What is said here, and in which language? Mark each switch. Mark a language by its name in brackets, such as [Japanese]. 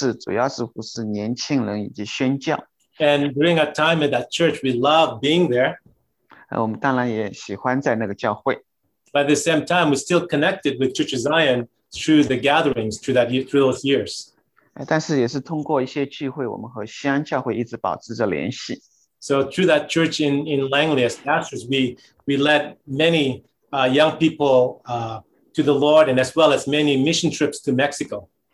[Chinese] 当时我们在那个教会3年服侍，主要是服侍年轻人以及宣教。 [English] And during our time at that church, we loved being there. [Chinese] 我们当然也喜欢在那个教会。 [English] But at the same time, we're still connected with Church of Zion through the gatherings through those years. [Chinese] 但是也是通过一些聚会，我们和西安教会一直保持着联系。 [English] So through that church in Langley, as pastors, we led many young people to the Lord, and as well as many mission trips to Mexico.